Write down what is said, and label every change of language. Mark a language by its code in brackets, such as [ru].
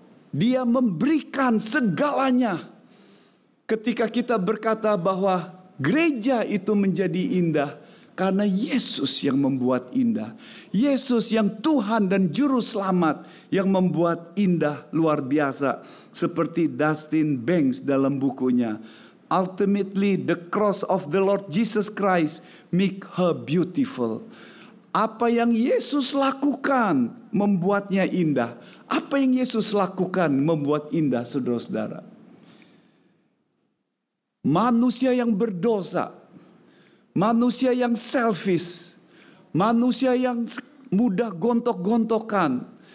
[id] Dia memberikan segalanya. Ketika kita berkata bahwa gereja itu menjadi indah, karena Yesus yang membuat indah. Yesus yang Tuhan dan Juru Selamat yang membuat indah luar biasa. Seperti Dustin Banks dalam bukunya. [en] Ultimately the cross of the Lord Jesus Christ make her beautiful. [id] Apa yang Yesus lakukan membuatnya indah. Apa yang Yesus lakukan membuat indah, saudara-saudara? Manusia yang berdosa. Manusia yang selfish. Manusia yang mudah gontok-gontokan.